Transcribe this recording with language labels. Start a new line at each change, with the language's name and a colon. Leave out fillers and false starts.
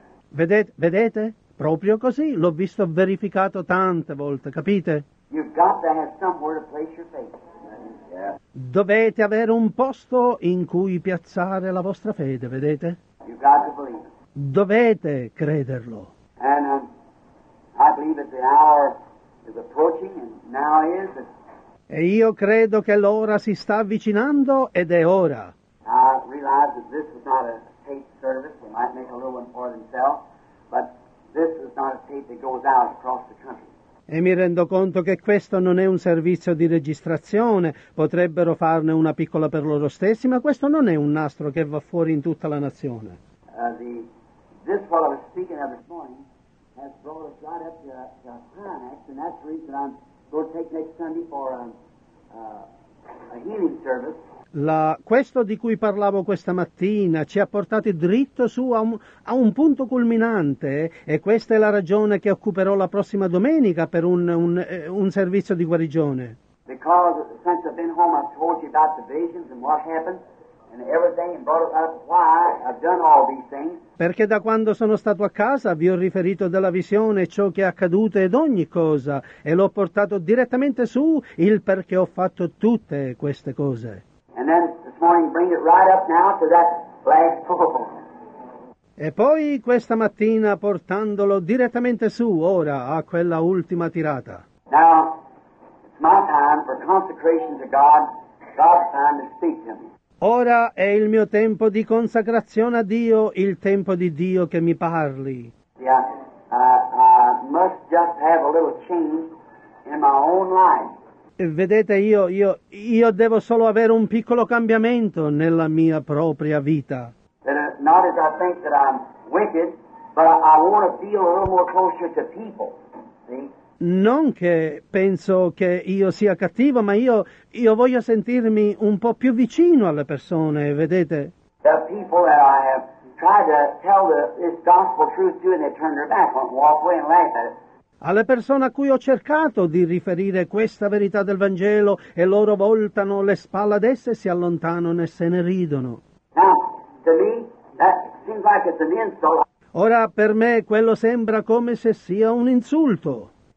Italian: Vedete? Proprio così. L'ho visto verificato tante volte, capite?
English: You've got to have somewhere to place your faith.
Italian: Dovete avere un posto in cui piazzare la vostra fede, vedete?
English: You've got to believe.
Italian: Dovete crederlo.
English: And I believe that the hour is approaching and now is.
Italian: E io credo che l'ora si sta avvicinando ed è ora.
English: I realize that this is not a paid service. They might make a little one for themselves. But this is not a tape that goes out across the country.
Italian: E mi rendo conto che questo non è un servizio di registrazione. Potrebbero farne una piccola per loro stessi, ma questo non è un nastro che va fuori in tutta la nazione.
English: This what I was speaking of this morning has brought us right up to Pinex, and that's the reason I'm going to take next Sunday for a healing service.
Italian: Questo di cui parlavo questa mattina ci ha portati dritto su a un punto culminante, e questa è la ragione che occuperò la prossima domenica per un servizio di guarigione.
English: Because since I've been home, I've told you about the visions and what happened and everything, and brought up why I've done all these things.
Italian: Perché da quando sono stato a casa vi ho riferito della visione, ciò che è accaduto ed ogni cosa, e l'ho portato direttamente su il perché ho fatto tutte queste cose.
English: And then this morning bring it right up now to that last pull.
Italian: E poi questa mattina portandolo direttamente su ora a quella ultima tirata.
English: Now it's my time for consecration to God. God's time to speak to me.
Italian: Ora è il mio tempo di consacrazione a Dio, il tempo di Dio che mi parli.
English: Yeah, I must just have a little change in my own life.
Italian: Vedete, io devo solo avere un piccolo cambiamento nella mia propria vita.
English: Not as I think that I'm wicked, but I want to feel a little more closer to people. See?
Italian: Non che penso che io sia cattivo, ma io voglio sentirmi un po' più vicino alle persone, vedete?
English: The people that I have tried to tell this gospel truth to, and they turn their back on, walk away and laugh at it.
Italian: Alle persone a cui ho cercato di riferire questa verità del Vangelo e loro voltano le spalle ad esse, si allontanano e se ne ridono.
English: Now, to me, that seems like it's an insult.
Italian: Ora, per me, quello sembra come se sia un insulto.